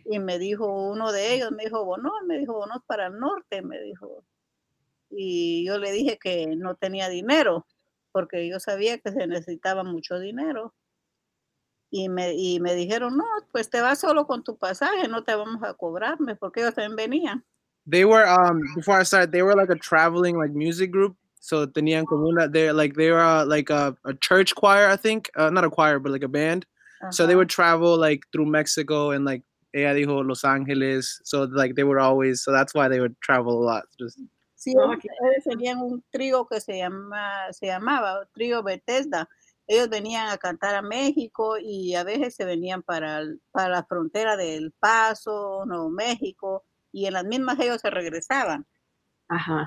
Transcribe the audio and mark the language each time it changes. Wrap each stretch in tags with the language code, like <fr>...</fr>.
<es>Y me dijo uno de ellos, me dijo, no, es para el norte, me dijo. Y yo le dije que no tenía dinero, porque yo sabía que se necesitaba mucho dinero. Y me dijeron, no, pues te vas solo con tu pasaje, no te vamos a cobrarme, porque ellos también venían.</es> <en>They were, before I started, they were like a traveling like music group. So</en> <es>tenían como una,</es> <en>they were like a church choir, I think. Not a choir, but like a band. Uh-huh. So they would travel like through Mexico and like</en> <es>ella dijo</es> <en>Los Angeles. So like they were always, so that's why they would travel a lot. Just</en> <es>sí, ellos tenían un trío que se llamaba Trío Bethesda. Ellos venían a cantar a México y a veces se venían para la frontera del Paso, Nuevo México, y en las mismas ellos se regresaban. Ajá.</es>